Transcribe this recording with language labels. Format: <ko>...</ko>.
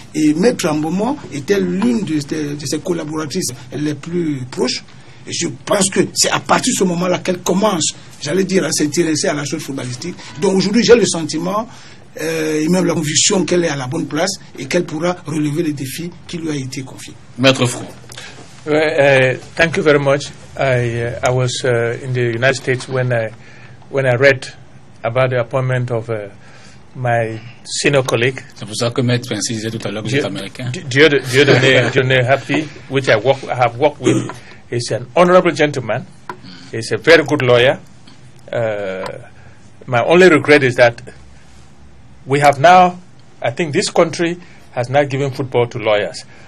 <fr>Et Maître Ambomo était l'une de ses collaboratrices les plus proches. Et je pense que c'est à partir de ce moment-là qu'elle commence, j'allais dire, à s'intéresser à la chose footballistique. Donc aujourd'hui, j'ai le sentiment et même la conviction qu'elle est à la bonne place et qu'elle pourra relever les défis qui lui a été confié. Maître Fou.</fr> <en>Thank you very much. I was in the United States when I read about the appointment of my senior colleague.</en> <fr>C'est pour ça que Maître Fancy disait tout à l'heure que vous êtes américain.</fr> <en>Dieu donné happy, which I have worked with. He's an honorable gentleman. He's a very good lawyer. My only regret is that we have now, I think this country has not given football to lawyers.</en>